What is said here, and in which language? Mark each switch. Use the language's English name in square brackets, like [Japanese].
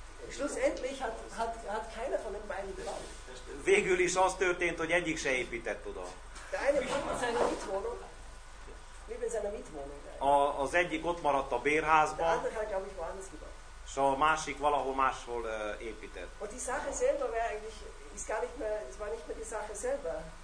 [German] Schlussendlich hat keiner von den beiden geglaubt. [Hungarian] Végül is az történt, hogy egyik se épített oda. [German] Der eine blieb in seiner Mietwohnung. [Hungarian] Az egyik ott maradt a bérházban. [German] Der andere hat, glaube ich, woanders gebaut. [Hungarian] S a másik valahol máshol épített. [German] Und die Sache selber war eigentlich ist gar nicht mehr, es war nicht mehr die Sache selber.